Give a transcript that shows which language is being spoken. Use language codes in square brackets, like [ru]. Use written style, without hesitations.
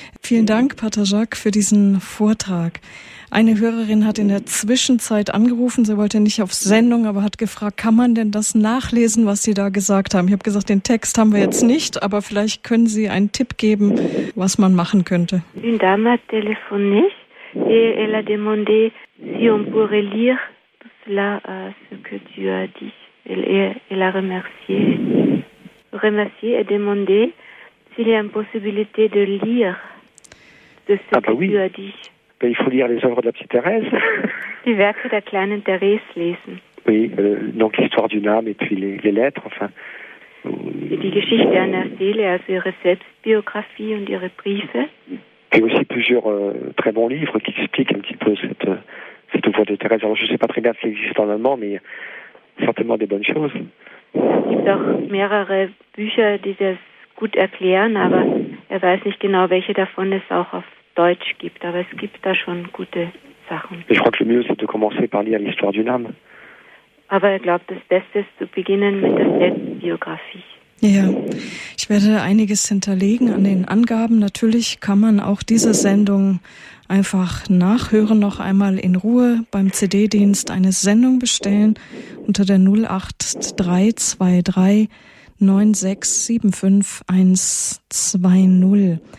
[de] Vielen Dank, Pater Jacques, für diesen Vortrag. Eine Hörerin hat in der Zwischenzeit angerufen, sie wollte nicht auf Sendung, aber hat gefragt, kann man denn das nachlesen, was Sie da gesagt haben? Ich habe gesagt, den Text haben wir jetzt nicht, aber vielleicht können Sie einen Tipp geben, was man machen könnte. [fr] Une dame a téléphoné et elle a demandé si on pourrait lire tout cela, ce que tu as dit. Elle a remercié et demandé s'il y a une possibilité de lire de ce que oui. Tu as dit. Il faut lire les œuvres de la petite Thérèse. [de] Die Werke der kleinen Therese lesen. [fr] Oui, donc l'histoire d'une âme et puis les lettres, enfin. [de] Et die Geschichte einer Seele, also ihre Selbstbiographie und ihre Briefe. [fr] Et aussi plusieurs très bons livres qui expliquent un petit peu cette œuvre de Thérèse. Alors je ne sais pas très bien s'il existe en allemand, mais certainement des bonnes choses. [de] Es gibt auch mehrere Bücher, die das gut erklären, aber er weiß nicht genau, welche davon es auch auf Deutsch gibt, aber es gibt da schon gute Sachen. [fr] Je crois que le mieux, c'est de commencer par lire l'histoire d'une âme. [de] Aber ich glaube, das Beste ist zu beginnen mit der Selbstbiografie. Ja, ich werde einiges hinterlegen an den Angaben. Natürlich kann man auch diese Sendung einfach nachhören, noch einmal in Ruhe beim CD-Dienst eine Sendung bestellen unter der 08323 9675120.